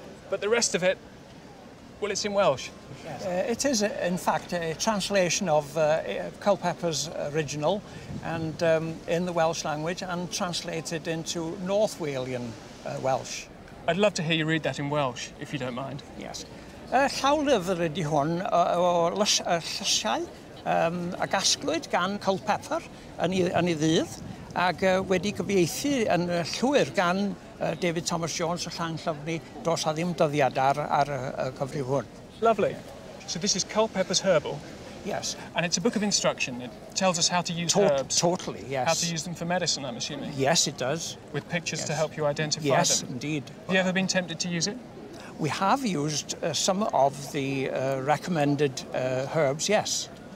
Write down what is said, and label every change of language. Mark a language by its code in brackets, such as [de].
[en] But the rest of it, well, it's in Welsh. Yes. It is, in fact, a translation of Culpepper's original and in the Welsh language and translated into Northwellian Welsh. I'd love to hear you read that in Welsh, if you don't mind. Yes. [cy] Llawlyfr ydy hwn o llysiau a gasglwyd gan Culpepper yn ei ddydd ac wedi gyfieithu yn llwyr gan David Thomas Jones y llang llyfni dros a ddim dyddiad ar y cyfrif hwn. [en] Lovely. So this is Culpepper's Herbal? Yes. And it's a book of instruction. It tells us how to use herbs. Totally, yes. How to use them for medicine, I'm assuming. Yes, it does. With pictures to help you identify them. Yes, indeed. Have you ever been tempted to use it? We have used some of the recommended herbs, yes.